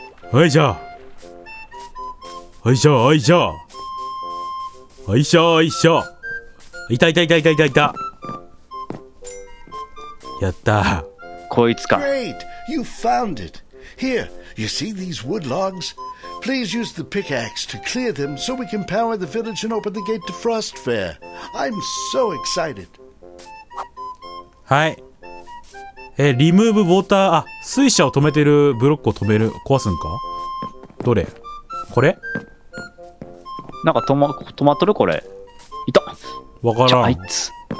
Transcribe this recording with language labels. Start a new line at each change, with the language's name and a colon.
Japanese: はい、じゃあ、はい、じゃあ、はい、じゃあ、はい、じゃあ、はい、じゃあ、いたいたいたいたいたいた、やったこいつか。
English: Great! You found it! Here! You see these wood logs? Please use the pickaxe to clear them so we can power the village and open the gate to Frost Fair. I'm so excited!
Japanese: はい、リムーブウォーター、あ、水車を止めてるブロックを止める、壊すんか。どれ、これ、なんか止まっとる、これ。いた、わからん。じゃあ、あいつ。